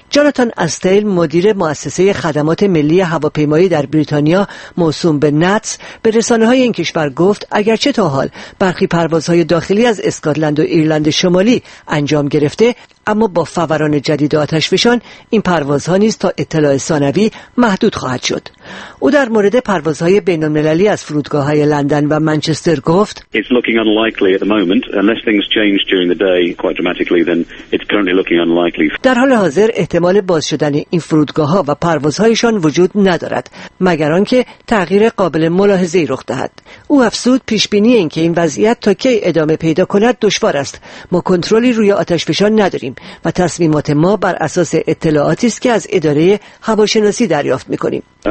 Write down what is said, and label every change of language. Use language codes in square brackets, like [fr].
[fa] جاناتان استیل، مدیر مؤسسه خدمات ملی هواپیمایی در بریتانیا موسوم به نتس، به رسانه‌های این کشور گفت اگرچه تا حال برخی پروازهای داخلی از اسکاتلند و ایرلند شمالی انجام گرفته، اما با فوران جدید آتش‌فشان این پروازها نیز تا اطلاع ثانوی محدود خواهد شد. او در مورد پروازهای بین‌المللی از فرودگاه‌های لندن و منچستر گفت: [en] It's looking unlikely at the moment unless things change during the day quite dramatically then it's currently looking unlikely. [fa] در حال حاضر احتمال باز شدن این فرودگاه‌ها و پروازهایشان وجود ندارد مگر آنکه تغییر قابل ملاحظه‌ای رخ دهد. او افزود پیش‌بینی این که این وضعیت تا کی ادامه پیدا کند دشوار است. ما کنترلی روی آتش‌فشان نداریم و تصمیمات ما بر اساس اطلاعاتی است که از اداره هواشناسی دریافت می‌کنیم.